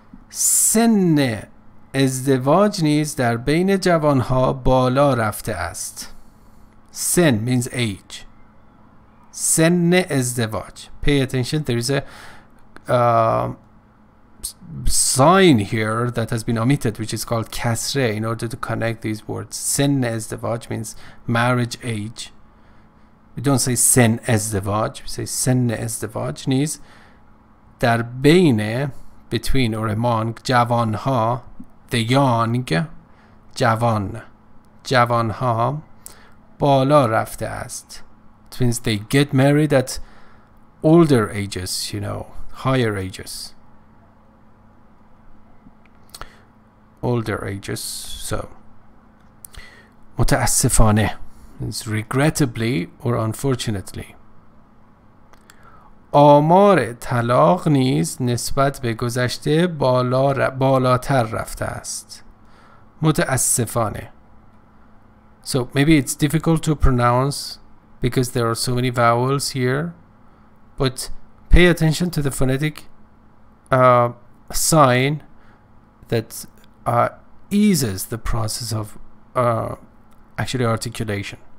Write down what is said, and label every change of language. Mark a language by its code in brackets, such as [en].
[fa] سن ازدواج نیز در بین جوانها بالا رفته است سن [en] means age [fa] سن ازدواج [en] pay attention there is a sign here that has been omitted, which is called kasre, in order to connect these words. Sen ezdevaj means marriage age. We don't say sen ezdevaj, we say sen ezdevaj means dar beine, between or among, javan ha, the young, javan, javan ha, [fa] bala rafte ast. [en] It means they get married at older ages, you know, higher ages. Older ages, so. متاسفانه means regrettably or unfortunately. [fa] آمار طلاق نیز نسبت به گذشته بالاتر رفته است. متاسفانه. [en] So maybe it's difficult to pronounce because there are so many vowels here, but pay attention to the phonetic sign that eases the process of actually articulation.